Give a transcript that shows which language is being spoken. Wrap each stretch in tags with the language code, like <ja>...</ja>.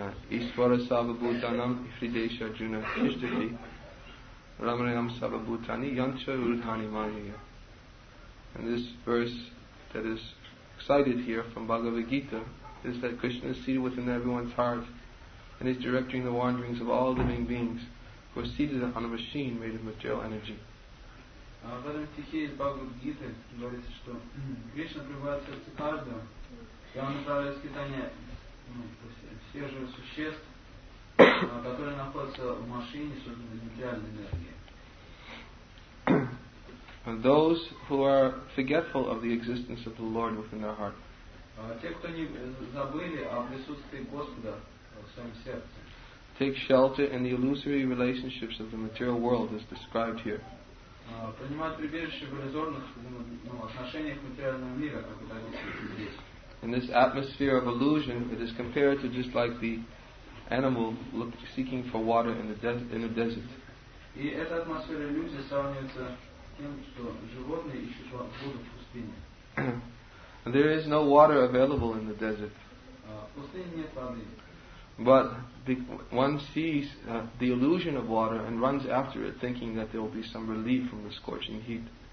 <sa>Ishvara sabhabhutanam hridesha juna tishtati ramranam sabhabhutani yancha urdhani maniya.</sa> <en>And this verse that is cited here from Bhagavad Gita is that Krishna is seated within everyone's heart and is directing the wanderings of all living beings who are seated on a machine made of material energy.</en> <ru>В этом стихе из Бхагавад-гиты говорится, что Кришна пребывает в сердце каждого, и Он направляет скитание всех живых существ, которые находятся в машине, созданной материальной энергией.</ru> <en>Those who are forgetful of the existence of the Lord within their heart.</en> <ru>Те, кто не забыли о присутствии Господа в своем сердце.</ru> <en>Take shelter in the illusory relationships of the material world as described here.</en> <ru>Принимают прибежище в иллюзорных отношениях материального мира, как это описывается здесь.</ru> <en>In this atmosphere of illusion, it is compared to just like the animal seeking for water in the desert.</en> <ru>И эта атмосфера иллюзии сравнивается тем, что животные ищут воду в пустыне.</ru> <en>There is no water available in the desert.</en> <ru>В пустыне нет воды.</ru> <en>But one sees the illusion of water and runs after it, thinking that there will be some relief from the scorching heat.</en>